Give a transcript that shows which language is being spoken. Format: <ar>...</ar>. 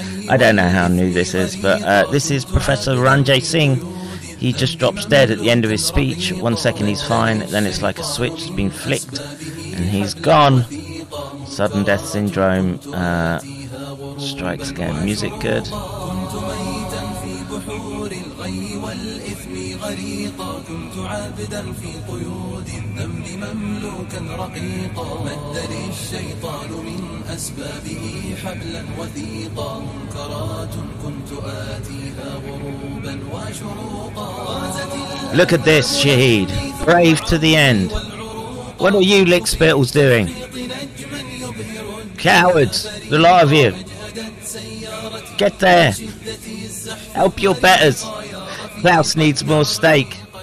<en>I don't know how new this is, but this is Professor Ranjay Singh. He just drops dead at the end of his speech. 1 second he's fine, then it's like a switch has been flicked and he's gone. Sudden death syndrome strikes again. Music good.</en> <ar>كنت عابدا في قيود النمل مملوكا رقيقا مد لي الشيطان من أسبابه حبلا وثيقا منكرات كنت آتيها غروبا وشروقا.</ar> <en>Look at this, Shaheed, brave to the end. What are you lickspittles doing? Cowards, the lot of you. Get there. Help your betters. Klaus needs more steak.</en>